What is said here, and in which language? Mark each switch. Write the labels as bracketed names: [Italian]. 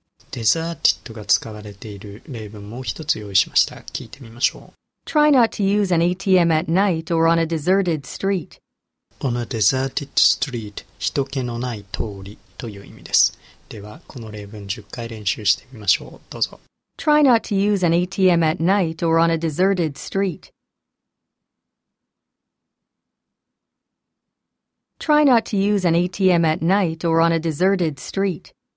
[Japanese] Deserted が使われている例文もう一つ用意しました。聞いてみましょう。 [English] Try not to use an ATM at night or on a deserted street. On a deserted street, [Japanese] 人気のない通りという意味です。では、この例文10回練習してみましょう。どうぞ。 [English] Try not to use an ATM at night or on a deserted street. Try not to use an ATM at night or on a deserted street.